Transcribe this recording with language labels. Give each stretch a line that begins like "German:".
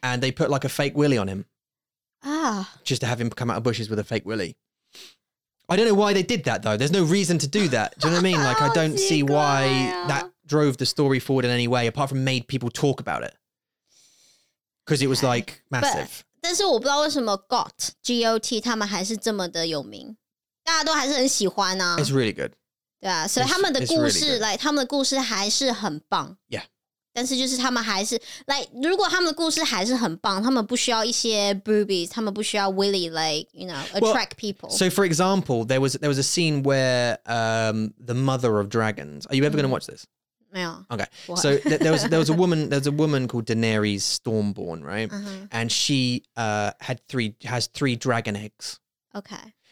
English: And they put like a fake willy on him. Ah. Just to have him come out of bushes with a fake willy. I don't know why they did that though. There's no reason to do that. Do you know what I mean? Like, I don't see why that drove the story forward in any way, apart from made people talk about it. Because it was like massive.
Chinese: 但是我不知道为什么 GOT, G-O-T, 他们还是这么的有名。大家都还是很喜欢啊。
English: It's really good.
Chinese: 对啊, 所以他们的故事,
English: really like,
Chinese: 他们的故事还是很棒。
English: Yeah.
Chinese: 但是就是他们还是, like, 如果他们的故事还是很棒, 他们不需要一些 boobies, 他们不需要 willy,
English: like, you know, attract people. So for example, there was a scene where the mother of dragons, are you ever going to watch this? No. Okay. What? So there was a woman called Daenerys Stormborn, right? Uh-huh. And she has three dragon eggs. Okay.